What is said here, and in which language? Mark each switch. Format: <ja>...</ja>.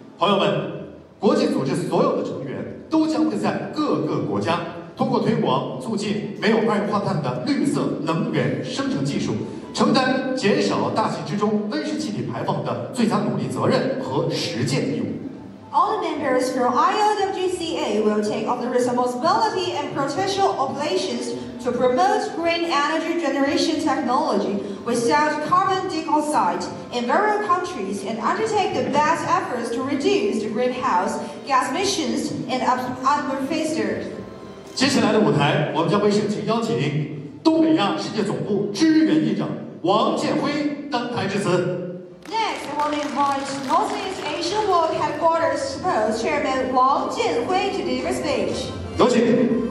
<zh>朋友们，国际组织所有的成员都将会在各个国家通过推广促进没有二氧化碳的绿色能源生成技术，承担减少大气之中温室气体排放的最佳努力责任和实践义务。</zh> <en>All the members from IOWGCA will take on the responsibility and potential obligations to promote green energy generation technology without carbon dioxide in various countries and undertake the best efforts to reduce the greenhouse gas emissions in atmosphere.</en> <zh>接下来的舞台，我们将会盛情邀请东北亚世界总部支援议长王建辉登台致辞。</zh> <en>Next, I want to invite Northeast Asia World Headquarters Sports Chairman 王建辉 to deliver speech.</en> <zh>有请。</zh>